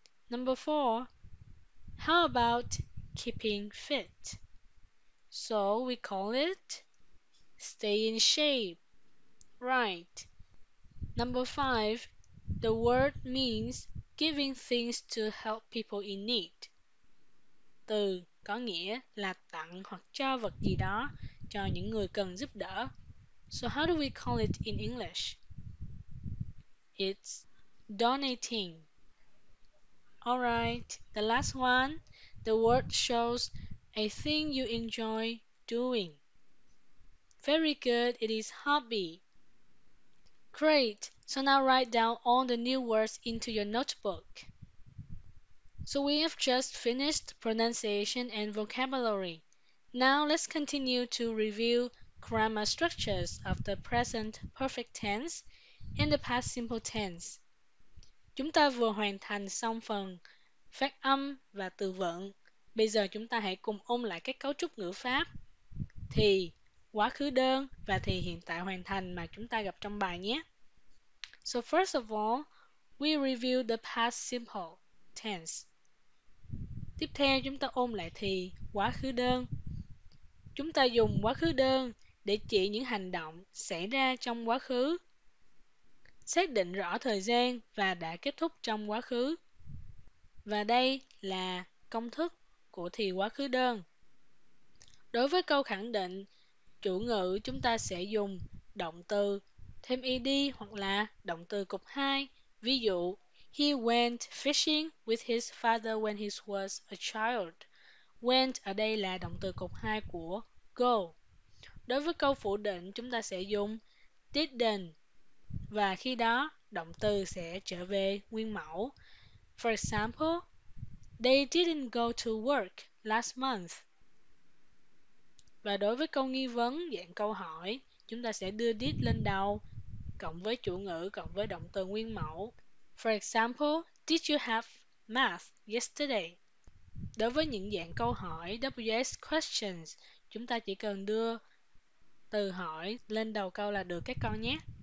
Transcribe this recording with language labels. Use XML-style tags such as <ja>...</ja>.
<en>Number 4, how about keeping fit? So we call it stay in shape. Right. Number 5, the word means giving things to help people in need.</en> <vi>Từ có nghĩa là tặng hoặc cho vật gì đó cho những người cần giúp đỡ.</vi> <en>So how do we call it in English? It's donating. Alright, the last one. The word shows a thing you enjoy doing. Very good, it is hobby. Great, so now write down all the new words into your notebook. So we have just finished pronunciation and vocabulary. Now let's continue to review grammar structures of the present perfect tense and the past simple tense.</en> <vi>Chúng ta vừa hoàn thành xong phần phát âm và từ vựng. Bây giờ chúng ta hãy cùng ôn lại các cấu trúc ngữ pháp. Thì, quá khứ đơn và thì hiện tại hoàn thành mà chúng ta gặp trong bài nhé.</vi> <en>So first of all, we review the past simple tense.</en> <vi>Tiếp theo chúng ta ôm lại thì quá khứ đơn. Chúng ta dùng quá khứ đơn để chỉ những hành động xảy ra trong quá khứ, xác định rõ thời gian và đã kết thúc trong quá khứ. Và đây là công thức của thì quá khứ đơn. Đối với câu khẳng định chủ ngữ, chúng ta sẽ dùng động từ thêm ed hoặc là động từ cụm 2. Ví dụ,</vi> <en>he went fishing with his father when he was a child.</en> <vi>Went ở đây là động từ cụm 2 của go. Đối với câu phủ định, chúng ta sẽ dùng didn't. Và khi đó, động từ sẽ trở về nguyên mẫu.</vi> <en>For example, they didn't go to work last month.</en> <vi>Và đối với câu nghi vấn dạng câu hỏi, chúng ta sẽ đưa did lên đầu, cộng với chủ ngữ, cộng với động từ nguyên mẫu.</vi> <en>For example, did you have math yesterday?</en> <vi>Đối với những dạng câu hỏi WS questions, chúng ta chỉ cần đưa từ hỏi lên đầu câu là được các con nhé.</vi>